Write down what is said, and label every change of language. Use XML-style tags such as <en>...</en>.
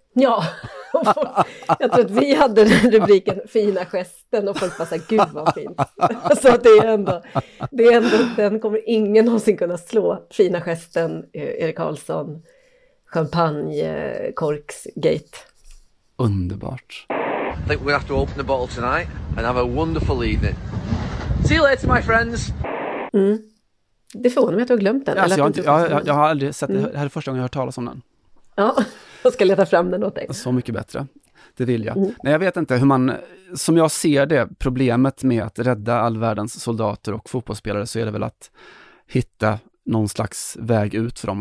<sv>Ja, jag tror att vi hade den rubriken, fina gesten, och folk bara såhär, gud vad fint. Så det är ändå, den kommer ingen någonsin kunna slå, fina gesten, Erik Karlsson, champagne, korksgate. Underbart.</sv> <en>I think we have to open the bottle tonight and have a wonderful evening. See you later my friends. Mm.</en> <sv>Det får honom att jag har glömt den. Ja, alltså jag har aldrig sett det. Det här är första gången jag har talat om den. Ja, jag ska leta fram den åt dig. Så mycket bättre. Det vill jag. Mm. Nej, jag vet inte hur man... Som jag ser det, problemet med att rädda all världens soldater och fotbollsspelare, så är det väl att hitta någon slags väg ut för dem.</sv>